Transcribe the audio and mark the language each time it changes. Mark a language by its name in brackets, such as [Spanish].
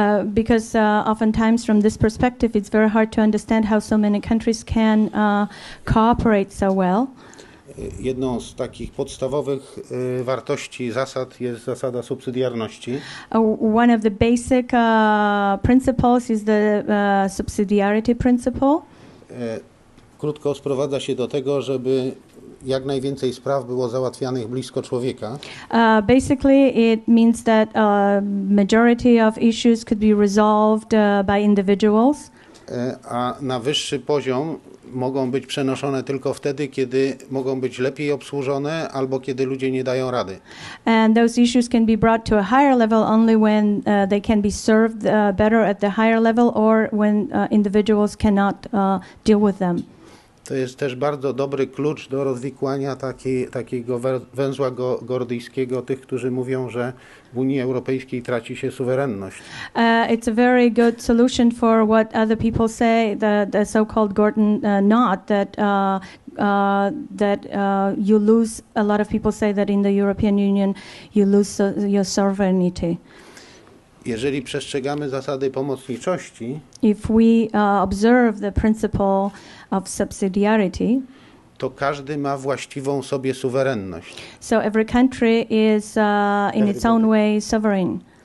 [English] Because oftentimes from this perspective it's very hard to understand how so many countries can cooperate so well. [Polish] Jedną z takich podstawowych wartości, zasad jest zasada subsydiarności. [English] One of the basic principles is the subsidiarity principle. [Polish] Krótko sprowadza się do tego, żeby jak najwięcej spraw było załatwianych blisko człowieka. [English] Basically it means that majority of issues could be resolved by individuals. [Polish] A na wyższy poziom mogą być przenoszone tylko wtedy, kiedy mogą być lepiej obsłużone albo kiedy ludzie nie dają rady. [English] And those issues can be brought to a higher level only when they can be served better at the higher level or when individuals cannot deal with them. [Polish] To jest też bardzo dobry klucz do rozwikłania takiego węzła gordyjskiego tych, którzy mówią, że w Unii Europejskiej traci się suwerenność. [English] It's a very good solution for what other people say, the so-called Gordian knot, you lose, a lot of people say that in the European Union you lose your sovereignty. [Polish] Jeżeli przestrzegamy zasady pomocniczości, [English] if we observe the principle of subsidiarity, [Polish] to każdy ma właściwą sobie suwerenność. [English] So every country is in its own way sovereign.